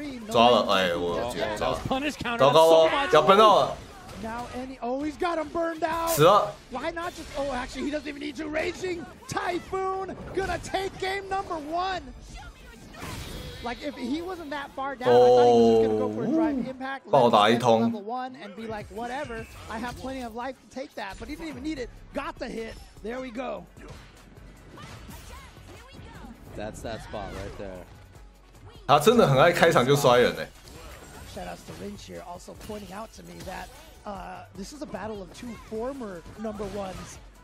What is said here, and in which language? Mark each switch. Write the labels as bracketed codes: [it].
[zh] 抓了，哎，我觉得抓了，糟糕了，要崩到了。 [en] Now any, oh, he's got him burned out. [zh] 死了。 [en] Why not just? Oh, actually, he doesn't even need to. Raging Typhoon gonna take game number one. Like if he wasn't that far down, I thought he was gonna go for a drive impact. [zh] 暴打一通 [en] level one and be like whatever. I have plenty of life to take that, but he didn't even need it. Got the hit. There we go. That's that spot right there. [zh] 他真的很爱开场就摔人哎。 [en] Shout out to Lynch here, also pointing out to me that this is a battle of two former number ones.